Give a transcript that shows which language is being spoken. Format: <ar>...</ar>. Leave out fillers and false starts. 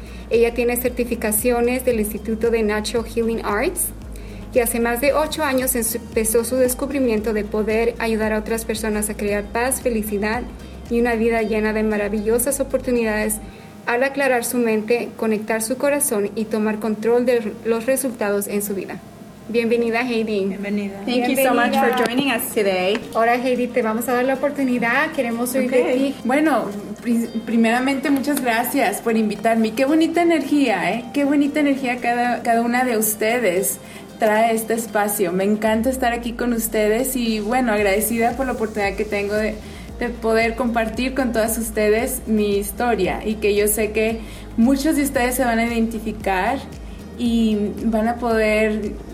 <es>Ella tiene certificaciones del Instituto de Natural Healing Arts y hace más de 8 años empezó su descubrimiento de poder ayudar a otras personas a crear paz, felicidad y una vida llena de maravillosas oportunidades al aclarar su mente, conectar su corazón y tomar control de los resultados en su vida. Bienvenida, Heidi. Bienvenida.</es> <en>Thank you so much for joining us today.</en> <es>Ahora, Heidi, te vamos a dar la oportunidad. Queremos oír de ti. Bueno, primeramente, muchas gracias por invitarme. Qué bonita energía, ¿eh? Qué bonita energía cada una de ustedes trae este espacio. Me encanta estar aquí con ustedes y, bueno, agradecida por la oportunidad que tengo de poder compartir con todas ustedes mi historia y que yo sé que muchos de ustedes se van a identificar y van a poder...</es>